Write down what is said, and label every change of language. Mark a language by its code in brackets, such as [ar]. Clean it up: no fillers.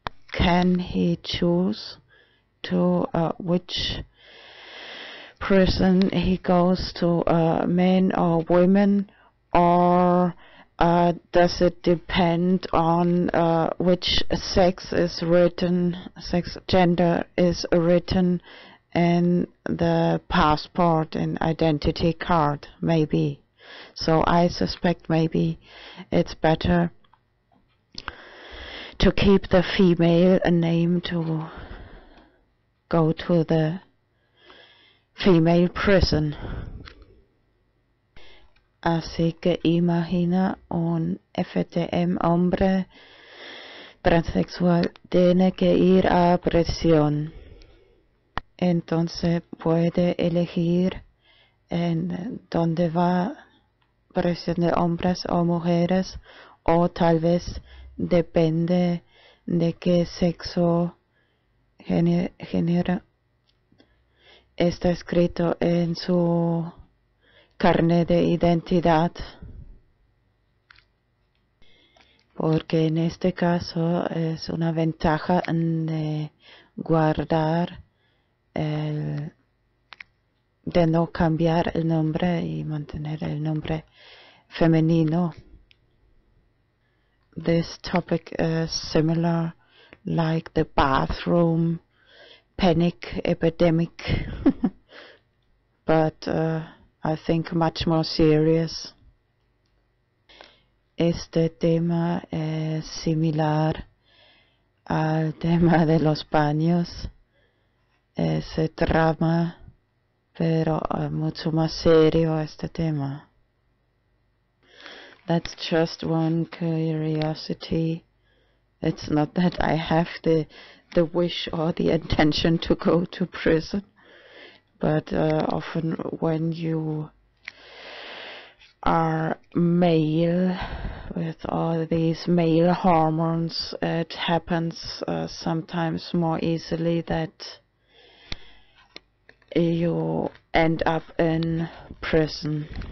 [en] Can he choose to which prison he goes to, men or women, or does it depend on which sex is written, sex gender is written in the passport and identity card, maybe? So I suspect maybe it's better to keep the female name to go to the female prison. [es] Así que imagina un FTM hombre transexual tiene que ir a prisión. Entonces puede elegir en dónde va prisión de hombres o mujeres, o tal vez depende de qué sexo genera está escrito en su carnet de identidad, porque en este caso es una ventaja de guardar el, de no cambiar el nombre y mantener el nombre femenino. [en] This topic is similar like the bathroom panic epidemic, but I think much more serious. [es] Este tema es similar al tema de los baños, ese drama, pero mucho más serio este tema. [en] That's just one curiosity. It's not that I have the wish or the intention to go to prison, but often when you are male with all these male hormones, it happens sometimes more easily that you end up in prison.